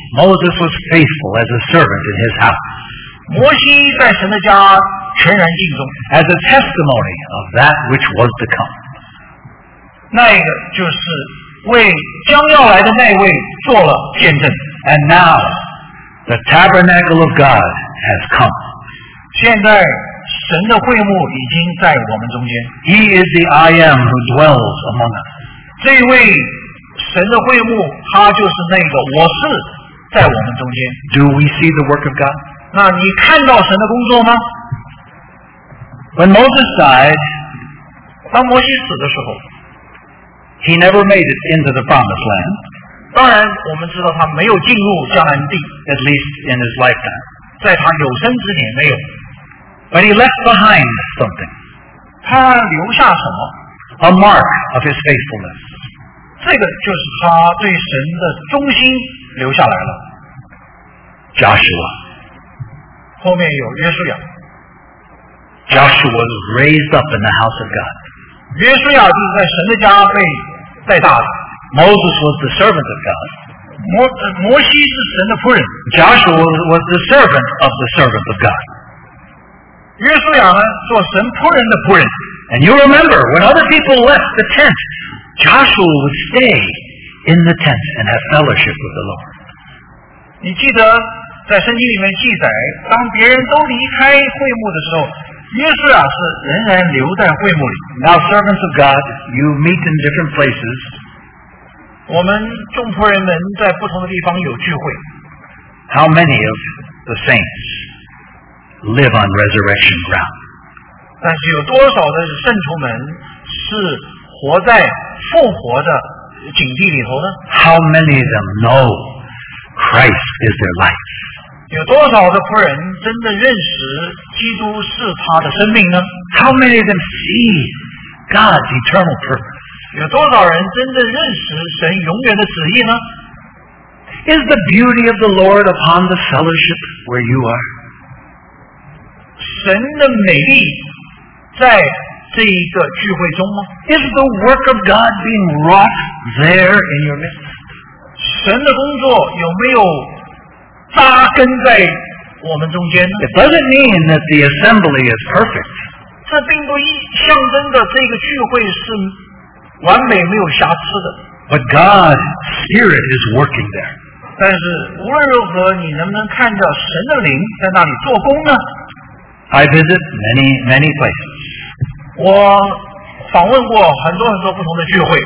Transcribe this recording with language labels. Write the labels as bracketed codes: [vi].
[en] Moses was faithful as a servant in his house. [zh] 摩西在神的家全然尽忠。 [en] As a testimony of that which was to come. [zh] 那一个就是为将要来的那位做了见证。 [en] And now, the tabernacle of God has come. [zh] 现在神的会幕已经在我们中间。 [en] He is the I am who dwells among us. [zh] 这位神的会幕，他就是那个我是在我们中间。 [en] Do we see the work of God? [zh] 那你看到神的工作吗？ [en] When Moses died, [zh] 当摩西死的时候， [en] he never made it into the promised land. [zh] 当然我们知道他没有进入迦南地， [en] at least in his lifetime. [zh] 在他有生之年没有。 [en] But he left behind something. [zh] 他留下什么？ [en] A mark of his faithfulness. [zh] 这个就是他对神的忠心留下来了。 [en] Joshua. [zh] 后面有约书亚。 [en] Joshua was raised up in the house of God. [zh] 约书亚就是在神的家被带大的。 [en] Moses was the servant of God. [zh] 摩西是神的仆人。 [en] Joshua was the servant of the servant of God. [zh] 约书亚呢，做神仆人的仆人。 [en] And you remember, when other people left the tent, Joshua would stay in the tent and have fellowship with the Lord. [zh] 你记得在圣经里面记载，当别人都离开会幕的时候，约书亚是仍然留在会幕里。 [en] Now, servants of God, you meet in different places. [zh] 我们众仆人们在不同的地方有聚会。 [en] How many of the saints? Live on resurrection ground. [zh] 但是有多少的圣徒们是活在复活的景地里头呢？ [en] How many of them know Christ is their life? [zh] 有多少的仆人真的认识基督是他的生命呢？ [en] How many of them see God's eternal purpose? [zh] 有多少人真的认识神永远的旨意呢？ [en] Is the beauty of the Lord upon the fellowship where you are? [zh] 神的美丽在这一个聚会中吗？ [en] Is the work of God being wrought there in your midst? [zh] 神的工作有没有扎根在我们中间呢？ [en] It doesn't mean that the assembly is perfect. [zh] 这并不象征着这个聚会是完美没有瑕疵的。 [en] But God's Spirit is working there. [zh] 但是无论如何，你能不能看到神的灵在那里做工呢？ [en] I visit many, many places. [zh] 我访问过很多很多不同的聚会。